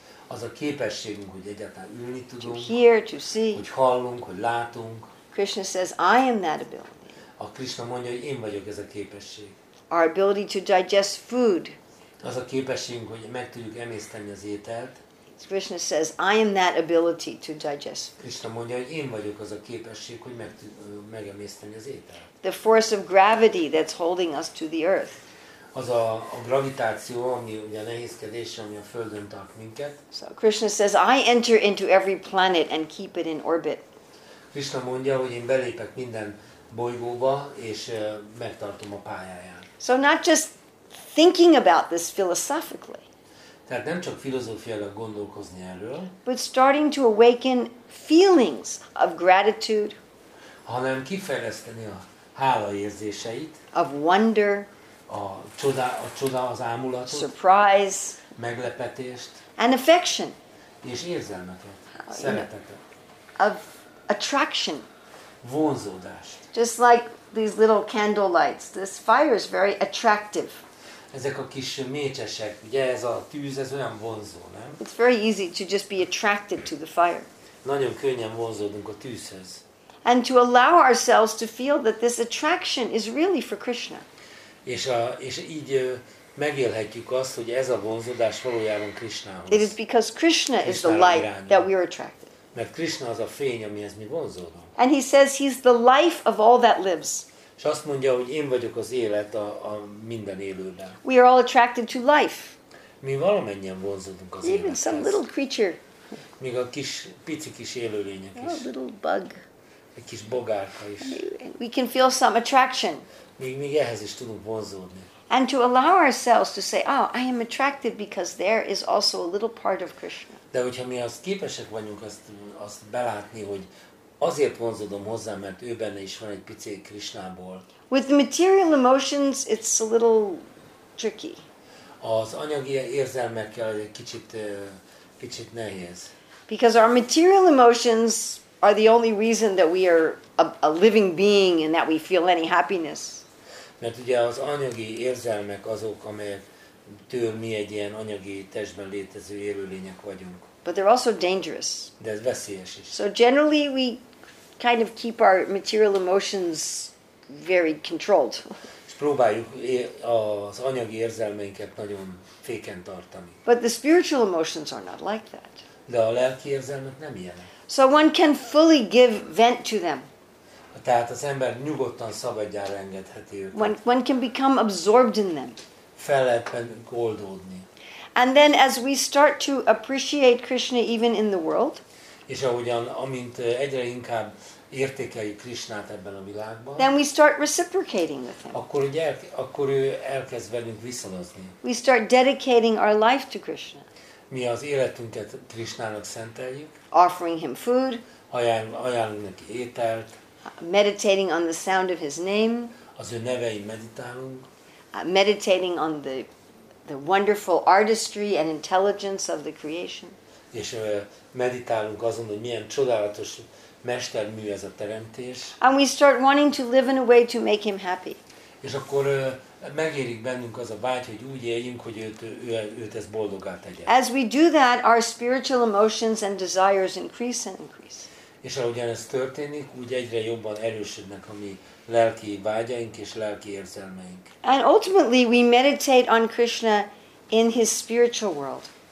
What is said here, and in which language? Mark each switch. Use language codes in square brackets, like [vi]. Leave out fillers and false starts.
[hu] Az a képességünk, hogy egyáltalán ülni tudunk. [en] To hear, to see. [hu] Hogy hallunk, hogy látunk. [en] Krishna says, I am that ability. [hu] A Krishna mondja, hogy én vagyok ez a képesség. [en] Our ability to digest food. [hu] Az a képességünk, hogy meg tudjuk emészteni az ételt. [en] Krishna says, I am that ability to digest. [hu] Krishna mondja, hogy én vagyok az a képesség, hogy megemészteni az ételt. [en] The force of gravity that's holding us to the earth. [hu] Az a gravitáció, ami ugye a nehézkedés, ami a Földön tart minket. [en] So Krishna says, I enter into every planet and keep it in orbit. [hu] Krishna mondja, hogy én belépek minden bolygóba, és megtartom a pályáján. [en] So not just thinking about this philosophically. [hu] Tehát nem csak filozófiailag gondolkozni erről, [en] but starting to awaken feelings of gratitude, [hu] hanem kifejleszteni a hála érzéseit, [en] of wonder, [hu] a csoda, az ámulatot, [en] surprise, [hu] meglepetést, [en] and affection, [hu] és érzelmeket, szeretetet, [en] of attraction, [hu] vonzódást. [en] Just like these little candle lights, this fire is very attractive. [hu] Ezek a kis mécsesek, ugye ez a tűz, ez olyan vonzó, nem? [en] It's very easy to just be attracted to the fire. [hu] Nagyon könnyen vonzódunk a tűzhez. [en] And to allow ourselves to feel that this attraction is really for Krishna. [hu] És így megélhetjük azt, hogy ez a vonzódás valójában Krishnához. [en] It is because Krishna is the light that we are attracted. [hu] Mert Krishna az a fény, amihez mi vonzódunk. [en] And he says he's the life of all that lives. [hu] És azt mondja, hogy én vagyok az élet a minden élőben. [en] We are all attracted to life. [hu] Mi valamennyien vonzódunk az élethez. [en] Even some little creature. [hu] Még a kis, pici kis élőlények is. [en] A little bug. [hu] Egy kis bogárka is. [en] We can feel some attraction. [hu] Még ehhez is tudunk vonzódni. [en] And to allow ourselves to say, oh, I am attracted because there is also a little part of Krishna. [hu] De hogyha mi azt képesek vagyunk azt belátni, hogy azért vonzódom hozzá, mert ő benne is van egy pici Krishnából. [en] With the material emotions, it's a little tricky. [hu] Az anyagi érzelmekkel egy kicsit nehéz. [en] Because our material emotions are the only reason that we are a living being and that we feel any happiness. [hu] Mert ugye az anyagi érzelmek azok, amelyektől mi egy ilyen anyagi testben létező élőlények vagyunk. [en] But they're also dangerous. [hu] De ez veszélyes is. [en] So generally we kind of keep our material emotions very controlled. [hu] És próbáljuk az anyagi érzelmeinket nagyon féken tartani. [en] But the spiritual emotions are not like that. [hu] De a lelki érzelmek nem ilyenek. [en] So one can fully give vent to them. [hu] Tehát az ember nyugodtan szabadjára engedheti őket. [en] One can become absorbed in them. [hu] Fel lehet oldódni. [en] And then as we start to appreciate Krishna even in the world, [hu] és ahogyan, amint egyre inkább értékeljük Krishnát ebben a világban, [en] then we start reciprocating with him. [hu] Akkor ő elkezd velünk viszonozni. [en] We start dedicating our life to Krishna. [hu] Mi az életünket Krishnának szenteljük. [en] Offering him food. [hu] Ajánlunk neki ételt. [en] Meditating on the sound of his name. [hu] Az ő nevein meditálunk. [en] Meditating on the wonderful artistry and intelligence of the creation. [hu] És meditálunk azon, hogy milyen csodálatos mestermű ez a teremtés. [en] And we start wanting to live in a way to make him happy. [hu] És akkor megérik bennünk az a vágy, hogy úgy éljünk, hogy őt ez boldoggá tegye. [en] As we do that, our spiritual emotions and desires increase and increase. [hu] És ahogyan ez történik, úgy egyre jobban erősödnek a mi lelki vágyaink és lelki érzelmeink. [en] And ultimately we meditate on Krishna in his spiritual world.